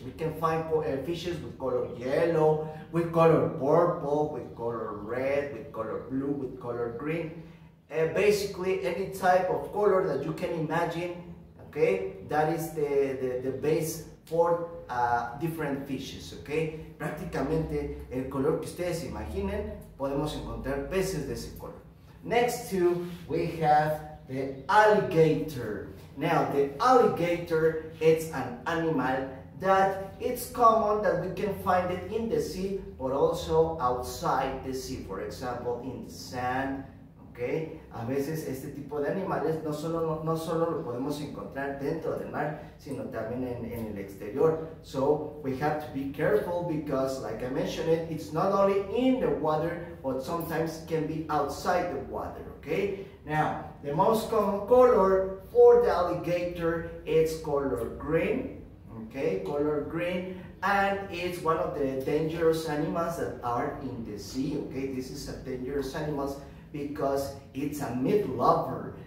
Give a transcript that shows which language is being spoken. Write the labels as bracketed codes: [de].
[en] We can find fishes with color yellow, with color purple, with color red, with color blue, with color green. Basically, any type of color that you can imagine, okay? That is the base for different fishes, okay? [es] Prácticamente, el color que ustedes imaginen, podemos encontrar peces de ese color. [en] Next to, we have the alligator. Now, the alligator, it's an animal that it's common that we can find it in the sea, but also outside the sea, for example, in the sand, okay? [es] A veces este tipo de animales no solo lo podemos encontrar dentro del mar, sino también en el exterior. [en] So, we have to be careful because, like I mentioned, it's not only in the water, but sometimes can be outside the water, okay? Now, the most common color for the alligator is color green, okay, color green, and it's one of the dangerous animals that are in the sea, okay? This is a dangerous animal because it's a meat lover.